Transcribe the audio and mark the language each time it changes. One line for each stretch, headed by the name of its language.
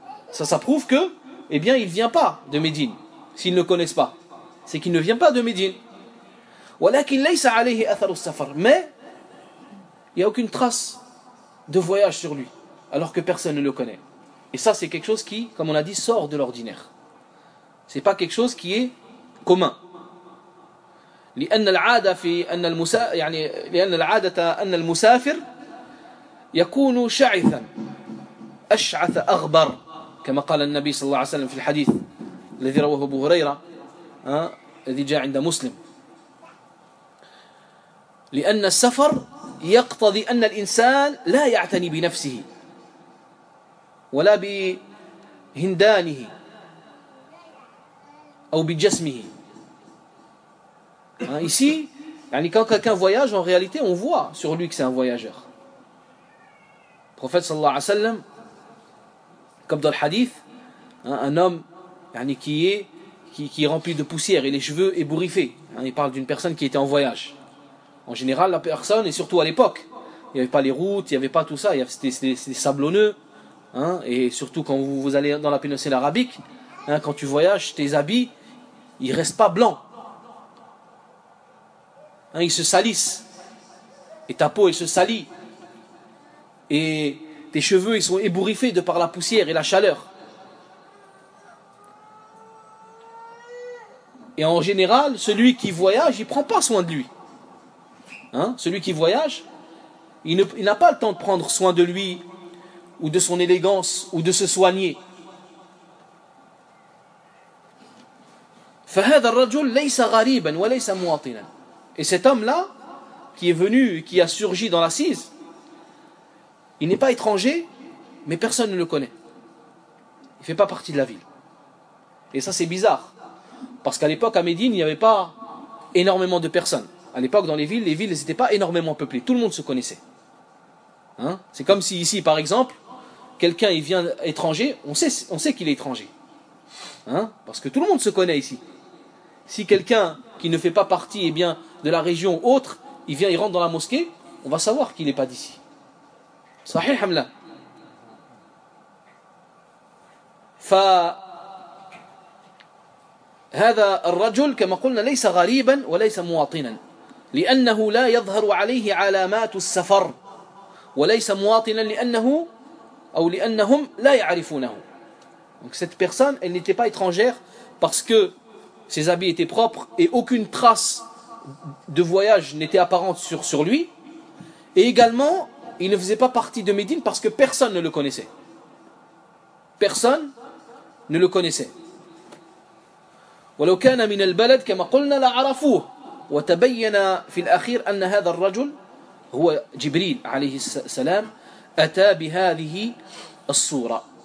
French: Ça prouve que eh bien il vient pas de Médine. S'ils ne connaissent pas, c'est qu'il ne vient pas de Médine.
Arabic: ولكن ليس عليه اثر السفر.
French: Mais il y a aucune trace de voyage sur lui alors que personne ne le connaît. Et ça c'est quelque chose qui, comme on a dit, sort de l'ordinaire. C'est pas quelque chose qui est commun.
Arabic: لأن العادة في أن يعني لأن العادة أن المسافر يكون شعثا أشعث أغبر كما قال النبي صلى الله عليه وسلم في الحديث الذي رواه أبو هريرة الذي جاء عند مسلم، لأن السفر يقتضي أن الإنسان لا يعتني بنفسه ولا بهندانه أو بجسمه.
French: ici, يعني quand quelqu'un voyage, en réalité, on voit sur lui que c'est un voyageur. Le prophète
Arabic: صلى الله عليه وسلم,
French: comme dans le hadith, un homme يعني qui est rempli de poussière et les cheveux ébouriffés. Il parle d'une personne qui était en voyage. En général, la personne, et surtout à l'époque, il n'y avait pas les routes, il n'y avait pas tout ça, c'était sablonneux. Et surtout quand vous allez dans la péninsule arabique, quand tu voyages, tes habits, ils ne restent pas blancs. Ils se salissent. Et ta peau, elle se salit. Et tes cheveux, ils sont ébouriffés de par la poussière et la chaleur. Et en général, celui qui voyage, il ne prend pas soin de lui. Celui qui voyage, il n'a pas le temps de prendre soin de lui ou de son élégance ou de se soigner.
Arabic: فهذا الرجل ليس غريبا وليس مواطنا.
French: Et cet homme-là, qui est venu, qui a surgi dans l'assise, il n'est pas étranger, mais personne ne le connaît. Il ne fait pas partie de la ville. Et ça, c'est bizarre. Parce qu'à l'époque, à Médine, il n'y avait pas énormément de personnes. À l'époque, dans les villes n'étaient pas énormément peuplées. Tout le monde se connaissait. C'est comme si ici, par exemple, quelqu'un il vient étranger, on sait qu'il est étranger. Parce que tout le monde se connaît ici. Si quelqu'un qui ne fait pas partie, eh bien, de la région ou autre, il vient, il rentre dans la mosquée, on va savoir qu'il n'est pas d'ici.
Arabic: Sahih Hamla. Fa هذا الرجل كما قلنا ليس غريبا وليس مواطنا لأنه لا يظهر عليه علامات السفر وليس مواطنا لأنه أو لأنهم لا يعرفونه.
French: Donc cette personne, elle n'était pas étrangère parce que ses habits étaient propres et aucune trace de voyage n'était apparente sur lui. Et également, il ne faisait pas partie de Médine parce que personne ne le connaissait. Personne ne le connaissait.
Arabic: ولو كان من البلد كما قلنا لعرفوه وتبين في الأخير أن هذا الرجل هو جبريل عليه السلام أتى بهذه الصورة.